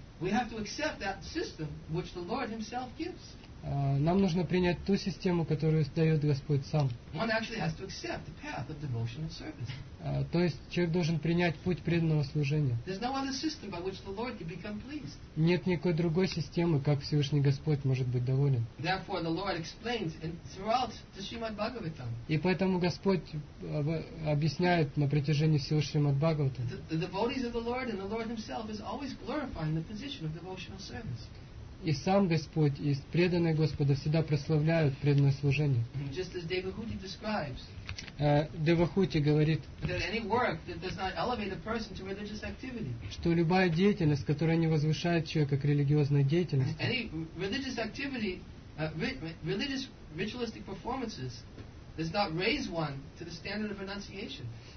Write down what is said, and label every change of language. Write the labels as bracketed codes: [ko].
[en] We have to accept that system which the Lord Himself gives. [ru] Нам нужно принять ту систему, которую дает Господь сам. [en] One actually has to accept the path of devotional service. [ru] То есть человек должен принять путь преданного служения. [en] There's no other system by which the Lord can become pleased. [ru] Нет никакой другой системы, как Всевышний Господь может быть доволен. [en] Therefore, the Lord explains throughout the Srimad Bhagavatam. [ru] И поэтому Господь объясняет на протяжении всего Шримад Бхагаватам. [en] The devotees of the Lord and the Lord Himself is always glorifying the position of devotional service. [ru] И сам Господь, и преданные Господа всегда прославляют преданное служение. [en] Just as Devahuti describes, [ru] Девахути говорит, [en] that any work that does not elevate a person to religious activity, [ru] что любая деятельность, которая не возвышает человека к религиозной деятельности, [en] any religious activity, religious ritualistic performances does not raise one to the standard of renunciation.